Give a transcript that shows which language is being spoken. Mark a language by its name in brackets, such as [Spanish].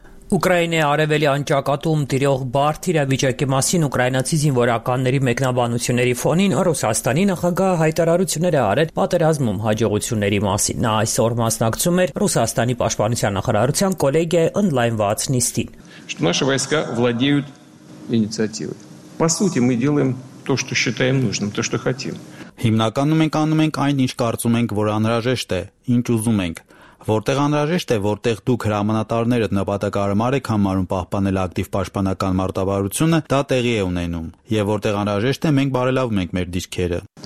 [Armenian] Ուկրաինայի արևելի անճակատում տիրող բարդ իրավիճակի մասին ուկրաինացի զինվորականների մեկնաբանությունների ֆոնին Ռուսաստանի նախագահը հայտարարություններ է արել պատերազմում հաջողությունների մասին։ Նա այսօր մասնակցում էր Ռուսաստանի պաշտպանության նախարարության կոլեգիայի online VAT նիստին։ [Russian] Наши войска владеют инициативой. По сути, мы делаем то, что считаем нужным, то, что хотим. [Armenian] Հիմնականում ենք անում ենք այն, ինչ կարծում ենք, որ անհրաժեշտ է, ինչ ուզում ենք։ Որտեղ անհրաժեշտ է, որտեղ դուք հրամանատարներդ նպատակահարմար եք համարում պահպանել ակտիվ պաշտպանական մարտավարությունը, դա տեղի է ունենում, եւ որտեղ անհրաժեշտ է, մենք բարելավում ենք մեր դիրքերը։